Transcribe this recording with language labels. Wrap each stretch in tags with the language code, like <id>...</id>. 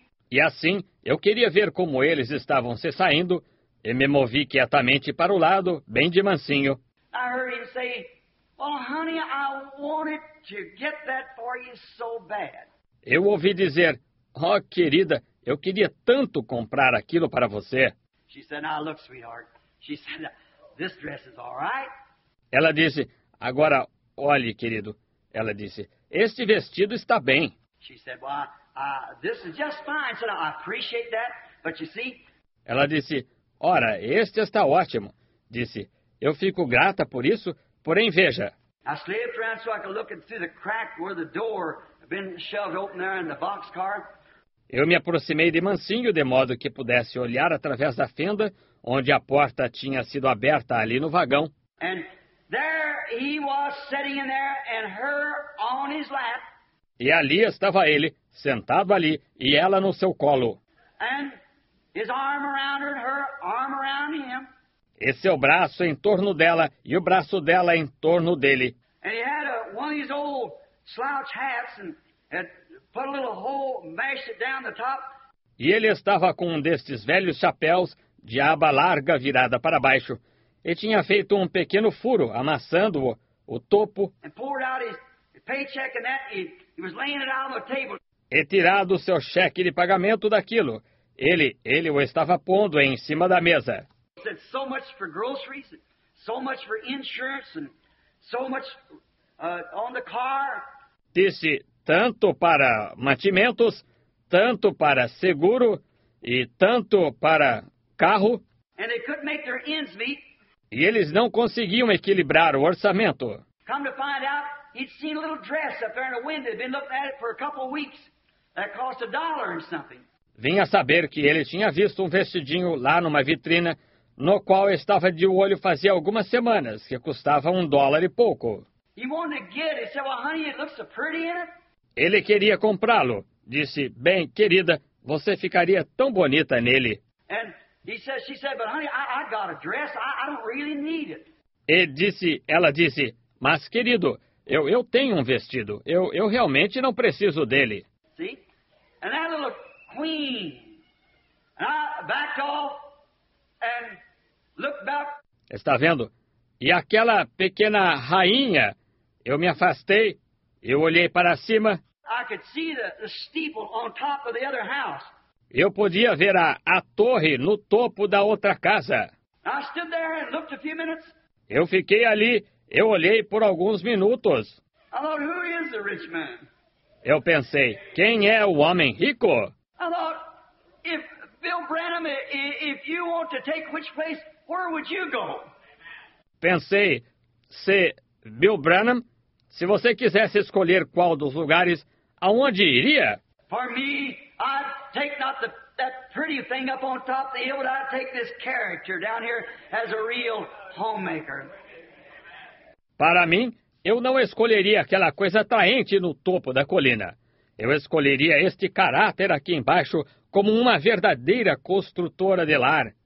<pt>E assim, eu queria ver como eles estavam se saindo e me movi quietamente para o lado, bem de mansinho.</pt> <en>I heard him say, "Well, honey, I wanted to get that for you so bad."</en> <pt>Eu ouvi dizer, "Oh, querida, eu queria tanto comprar aquilo para você."</pt> <en>She said, "Now look, sweetheart." She said, "This dress is all right."</en> <pt>Ela disse, "Agora, olhe, querido." Ela disse, "Este vestido está bem."</pt> <en>She said, "Well, this is just fine. So I appreciate that, but you see."</en> <pt>Ela disse, "Ora, este está ótimo." Disse, "Eu fico grata por isso, porém veja."</pt> <en>I slipped around so I could look through the crack where the door had been shoved open there in the boxcar.</en> <pt>Eu me aproximei de mansinho, de modo que pudesse olhar através da fenda, onde a porta tinha sido aberta ali no vagão.</pt> <en>And there he was sitting in there, and her on his lap.</en> <pt>E ali estava ele, sentado ali, e ela no seu colo.</pt> <en>And his arm around her, and her arm around him.</en> <pt>E seu braço em torno dela, e o braço dela em torno dele.</pt> <en>And he had one of these old slouch hats, and had put a little hole, mashed it down the top.</en> <pt>E ele estava com um destes velhos chapéus de aba larga virada para baixo. E tinha feito um pequeno furo, amassando-o, o topo.</pt> <en>And poured out his paycheck and that, he was laying it out on the table.</en> <pt>E tirado o seu cheque de pagamento daquilo. Ele o estava pondo em cima da mesa.</pt> <en>Said so much for groceries, so much for insurance, and so much on the car.</en> <pt>Disse, tanto para mantimentos, tanto para seguro e tanto para carro.</pt> <en>And they couldn't make their ends meet.</en> <pt>E eles não conseguiam equilibrar o orçamento.</pt> <en>Come to find out, he'd seen a little dress up there in the window. He'd been looking at it for a couple of weeks. That cost a dollar and something.</en> <pt>Vinha saber que ele tinha visto um vestidinho lá numa vitrina, no qual estava de olho fazia algumas semanas, que custava um dólar e pouco.</pt> <en>He wanted to get it. He said, "Well, honey, it looks so pretty in it."</en> <pt>Ele queria comprá-lo. Disse, "Bem, querida, você ficaria tão bonita nele."</pt> <en>And she said, "But honey, I got a dress. I don't really need it."</en> <pt>E disse, ela disse, "Mas querido, eu tenho um vestido. Eu realmente não preciso dele."</pt> <en>See? And that little queen. And I backed off and looked back.</en> <pt>Está vendo? E aquela pequena rainha, eu me afastei, eu olhei para cima.</pt> <en>I could see the steeple on top of the other house.</en> <pt>Eu podia ver a torre no topo da outra casa.</pt> <en>I stood there and looked a few minutes.</en> <pt>Eu fiquei ali, eu olhei por alguns minutos.</pt> <en>I thought, "Who is the rich man?"</en> <pt>Eu pensei, quem é o homem rico?</pt> <en>I thought, "If Bill Branham, if you want to take which place, where would you go?"</en> <pt>Pensei, se Bill Branham, se você quisesse escolher qual dos lugares, aonde iria?</pt> <en>For me, I'd take not that pretty thing up on top of the hill, but I'd take this character down here as a real homemaker.</en> <pt>Para mim, eu não escolheria aquela coisa atraente no topo da colina. Eu escolheria este caráter aqui embaixo como uma verdadeira construtora de lar.</pt>